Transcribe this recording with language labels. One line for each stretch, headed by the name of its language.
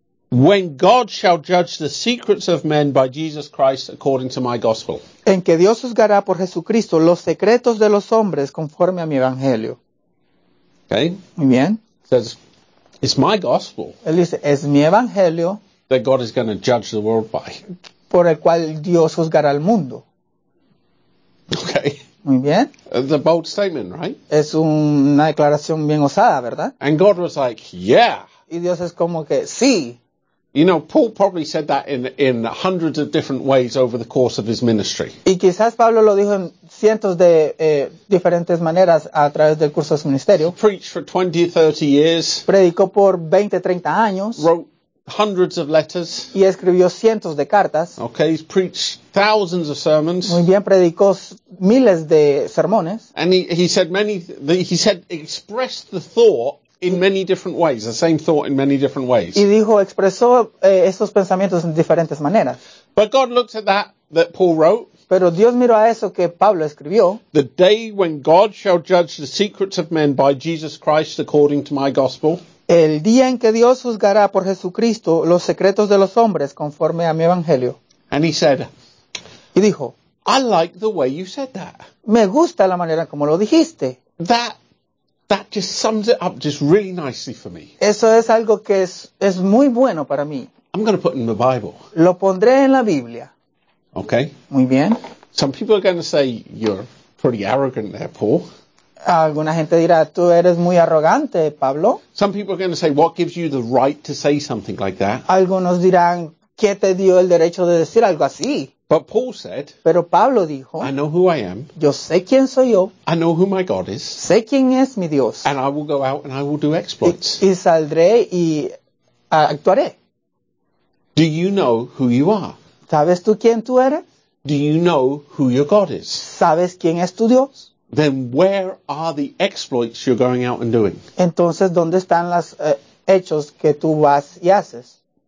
English: When God shall judge the secrets of men by Jesus Christ according to my gospel.
Spanish: En que Dios juzgará por Jesucristo los secretos de los hombres conforme a mi evangelio.
English: Okay.
Spanish: Muy bien.
English: Says, it's my gospel.
Spanish: Él dice, es mi evangelio.
English: That God is going to judge the world by.
Spanish: Por el cual Dios juzgará al mundo.
English: Okay.
Spanish: Muy bien.
English: The bold statement, right?
Spanish: Es una declaración bien osada, ¿verdad?
English: And God was like, yeah.
Spanish: Y Dios es como que, sí.
English: You know, Paul probably said that in hundreds of different ways over the course of his ministry.
Spanish: Y quizás Pablo lo dijo en cientos de diferentes maneras a través del curso de su ministerio.
English: He preached for 20 or 30 years.
Spanish: Predicó por 20, 30 años.
English: Wrote hundreds of letters.
Spanish: Y escribió cientos de cartas.
English: Okay, he's preached thousands of sermons.
Spanish: Muy bien, predicó miles de sermones.
English: And he said expressed the thought in many different ways, the same thought in many different ways.
Spanish: Y dijo, expresó estos pensamientos en diferentes maneras.
English: But God looked at that Paul wrote.
Spanish: Pero Dios miró a eso que Pablo escribió.
English: The day when God shall judge the secrets of men by Jesus Christ according to my gospel.
Spanish: El día en que Dios juzgará por Jesucristo los secretos de los hombres conforme a mi evangelio.
English: And he said.
Spanish: Y dijo.
English: I like the way you said that.
Spanish: Me gusta la manera como lo dijiste.
English: That just sums it up just really nicely for me.
Spanish: Eso es algo que es muy bueno para mí.
English: I'm going to put it in the Bible.
Spanish: Lo pondré en la Biblia.
English: Okay.
Spanish: Muy bien.
English: Some people are going to say, you're pretty arrogant there, Paul.
Spanish: Alguna gente dirá, tú eres muy arrogante, Pablo.
English: Some people are going to say, what gives you the right to say something like that?
Spanish: Algunos dirán, ¿qué te dio el derecho de decir algo así?
English: But Paul said,
Spanish: pero Pablo dijo,
English: I know who I am.
Spanish: Yo sé quién soy yo.
English: I know who my God is.
Spanish: Sé quién es mi Dios.
English: And I will go out and I will do exploits.
Spanish: Y saldré y actuaré.
English: Do you know who you are?
Spanish: ¿Sabes tú quién tú eres?
English: Do you know who your God is?
Spanish: ¿Sabes quién es tu Dios?
English: Then where are the exploits you're going out and doing?
Spanish: Entonces, ¿dónde están los hechos que tú vas y haces?